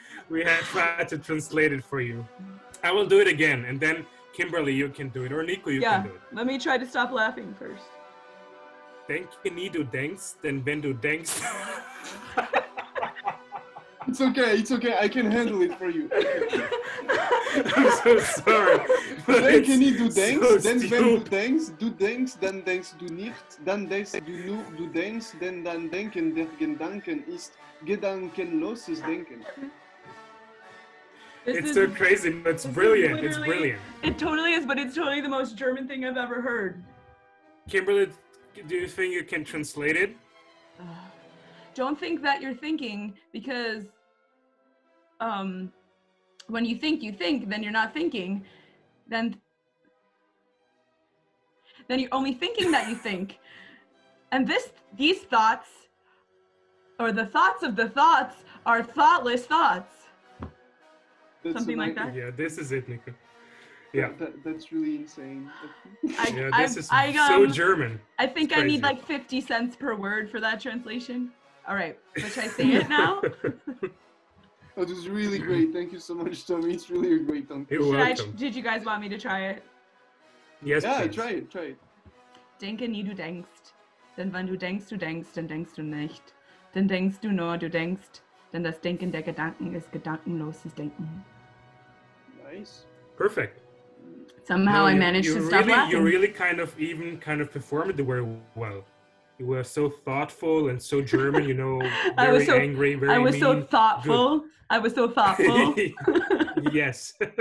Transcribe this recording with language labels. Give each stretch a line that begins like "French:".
English: We have tried to translate it for you. I will do it again, and then Kimberly, you can do it, or Nico, you can do it. Yeah, let me try to stop laughing first.
German: Denke nie, du denkst, denn wenn du denkst.
English: It's okay, I can handle it for you. I'm so sorry.
German: Denke nie, du denkst, denn wenn du denkst, dann denkst du nicht, dann denkst du nur, du denkst, denn dann denken der Gedanken ist gedankenloses Denken.
English: It's so crazy, but it's brilliant. It's brilliant. It totally is, but it's totally the most German thing I've ever heard. Kimberly, do you think you can translate it? Don't think that you're thinking, because when you think, then you're not thinking. Then you're only thinking that you think. And these thoughts, or the thoughts of the thoughts, are thoughtless thoughts. That's something amazing. Like that? Yeah, this is it, Nico. Yeah. That's really insane. This is so German. I think I need like 50 cents per word for that translation. All right, but should I say it now? Oh, this is really great. Thank you so much, Tommy. It's really a great tongue. You're welcome. Did you guys want me to try it? Yes, yeah, please. Try it.
German: Denke nie, du denkst. Denn wenn du denkst, dann denkst du nicht. Dann denkst du nur, du denkst. Denn das Denken der Gedanken ist gedankenloses Denken.
English: Nice. Perfect. Somehow I managed to really stop laughing. You really kind of performed it very well. You were so thoughtful and so German, you know, very angry, very mean. I was so thoughtful. I was so thoughtful. Yes.